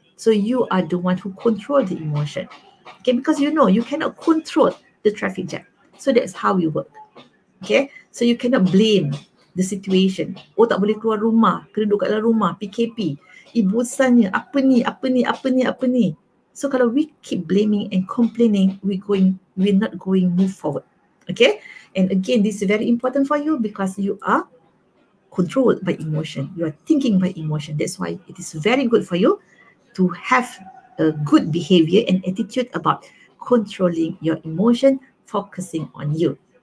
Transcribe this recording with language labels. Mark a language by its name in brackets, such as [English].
[English] So you are the one who control the emotion. Okay, because you know you cannot control the traffic jam. So that's how we work. Okay, so you cannot blame the situation. [Malay] Oh, tak boleh keluar rumah, kena duduk kat dalam rumah, PKP. Ibusannya, apa ni? [English] So kalau we keep blaming and complaining, we're not going move forward. Okay? And again, this is very important for you because you are controlled by emotion. You are thinking by emotion. That's why it is very good for you to have a good behavior and attitude about controlling your emotion, focusing on you.